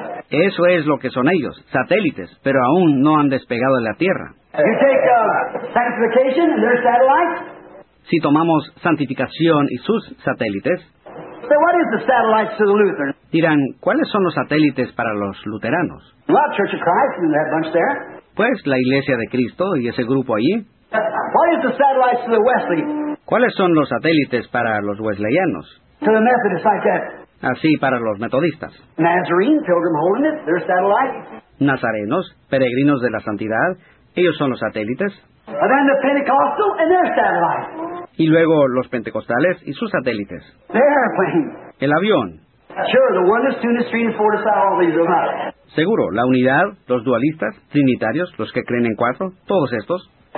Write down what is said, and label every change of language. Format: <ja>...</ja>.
<es>Eso es lo que son ellos, satélites, pero aún no han despegado de la Tierra.</es> <en>You take, sanctification, their satellites?</en> <es>Si tomamos santificación y sus satélites,</es> <en>so what is the satellites to the Lutherans?</en> <es>Dirán, ¿cuáles son los satélites para los luteranos?</es> <en>Well, Church of Christ, and that bunch there.</en> <es>Pues la Iglesia de Cristo y ese grupo allí.</es> <en>What is the satellites to the Wesleyans?</en> <es>¿Cuáles son los satélites para los wesleyanos?</es> <en>To the Methodists like that.</en> <es>Así, para los metodistas.</es> <en>Nazarene, Pilgrim Holiness, their satellites.</en> <es>Nazarenos, peregrinos de la santidad, ellos son los satélites.</es> <en>And then the Pentecostal and their satellites.</en> <es>Y luego los pentecostales y sus satélites.</es> <en>The airplane.</en> <es>El avión.</es> <en>Sure, the oneness, two-ness, three, and four, all these are</en> <es>seguro, la unidad, los dualistas, trinitarios, los que creen en cuatro, todos estos.</es>